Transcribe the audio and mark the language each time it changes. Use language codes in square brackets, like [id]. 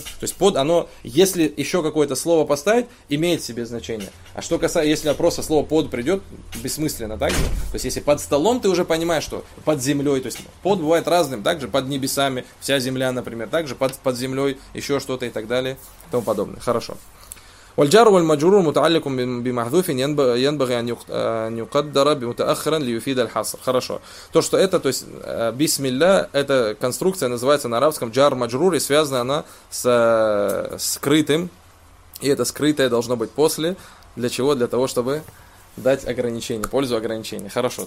[ru] То есть под, оно, если еще какое-то слово поставить, имеет себе значение. А что касается, если просто слово под придет, бессмысленно так же. То есть если под столом, ты уже понимаешь, что под землей, то есть под бывает разным, так же под небесами, вся земля, например, так же под землей, еще что-то и так далее, и тому подобное. Хорошо. [ar] والجار والمجرور متعلق بمحذوف ينبغي أن يقدر متأخرا ليفيد الحصر. [ru] Хорошо. То, что это, то есть бисмилля, эта конструкция называется на арабском джар маджрур, и связана она с скрытым. И это скрытое должно быть после. Для чего? Для того, чтобы дать ограничение, пользу ограничения. Хорошо.